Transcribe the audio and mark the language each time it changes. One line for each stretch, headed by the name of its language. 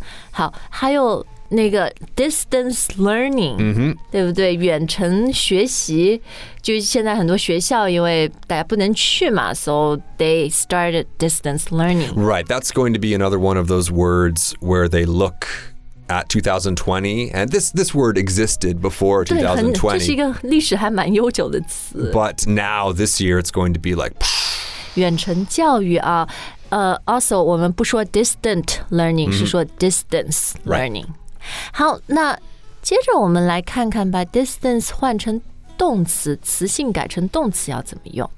Chinese: 好，还有那个 distance learning,、对不对？远程学习，就现在很多学校因为大家不能去嘛，
English: so they started distance learning. Right, that's going to be another one of those words where they look... at 2020, and this word existed before 2020.
Chinese: 对，很，这是一个历史还蛮悠久的词。
English: But now, this year, it's going to be like...
Chinese: 远程教育啊。Also, 我们不说 distant learning,、是说 distance learning.、
English: Right.
Chinese: 好，那接着我们来看看把 distance 换成动词，词性改成动词要怎么用。